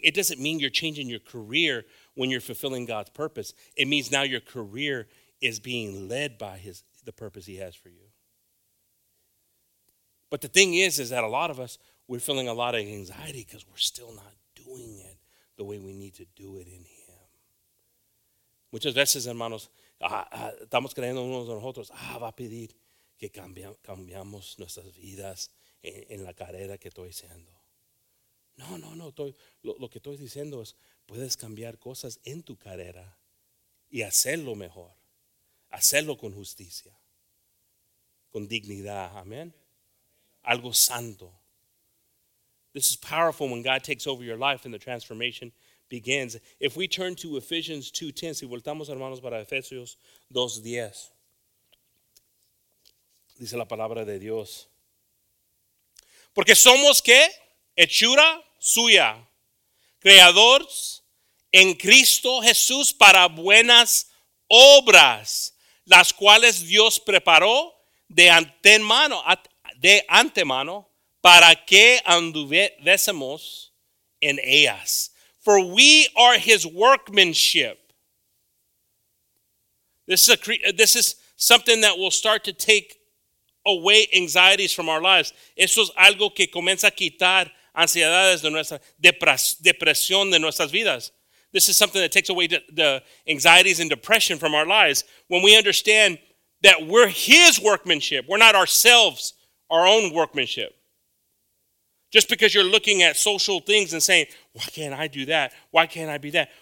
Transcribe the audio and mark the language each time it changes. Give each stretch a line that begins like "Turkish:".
English: It doesn't mean you're changing your career when you're fulfilling God's purpose. It means now your career is being led by the purpose he has for you. But the thing is that a lot of us, we're feeling a lot of anxiety because we're still not doing it the way we need to do it in him.
Spanish: Muchas veces, hermanos, estamos creyendo unos a nosotros, va a pedir que cambiamos nuestras vidas en la carrera que estoy haciendo. No, lo que estoy diciendo es, puedes cambiar cosas en tu carrera y hacerlo mejor. Hacerlo con justicia, con dignidad, amen. Algo santo.
English: This is powerful when God takes over your life and the transformation begins. If we turn to Ephesians 2:10,
Spanish: si voltamos, hermanos, para Efesios 2:10, dice la palabra de Dios. Porque somos, ¿qué? Hechura suya, creadores en Cristo Jesús para buenas obras, las cuales Dios preparó de antemano para que anduviésemos en ellas.
English: For we are his workmanship. This is something that will start to take away anxieties from our lives.
Spanish: Eso es algo que comienza a quitar ansiedades de nuestra depresión de nuestras vidas.
English: This is something that takes away the anxieties and depression from our lives. When we understand that we're his workmanship, we're not ourselves, our own workmanship. Just because you're looking at social things and saying, why can't I do that? Why can't I be that?